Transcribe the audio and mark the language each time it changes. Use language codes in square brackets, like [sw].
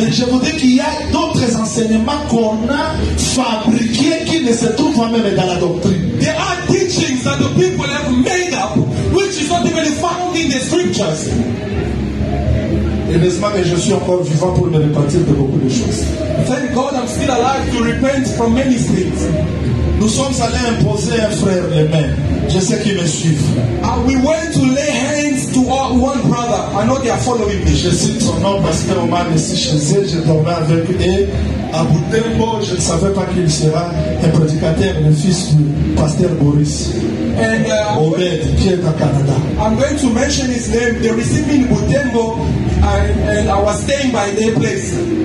[fr] Mais je vous dis qu'il y a d'autres enseignements qu'on a fabriqués qui ne se trouvent pas même dans la doctrine. [en] There are teachings that the people have made up, which is not even found in the scriptures. [fr] Heureusement que je suis encore vivant pour me repentir de beaucoup de choses. [en] Thank God I'm still alive to repent from many things. [fr] Nous sommes allés imposer un frère les mains. Je sais qu'ils me suivent. [en] We went to lay hands to one brother. I know they are following me. [fr] Je cite son nom parce qu'on m'a laissé chez eux. Je dormais avec eux. Et à bout d'un mot, je ne savais pas qu'il sera un prédicateur, le fils du pasteur Boris. [en] And [fr] Obed, qui est à Canada. [en] I'm going to mention his name. They received me in Butembo, and I was staying by their place.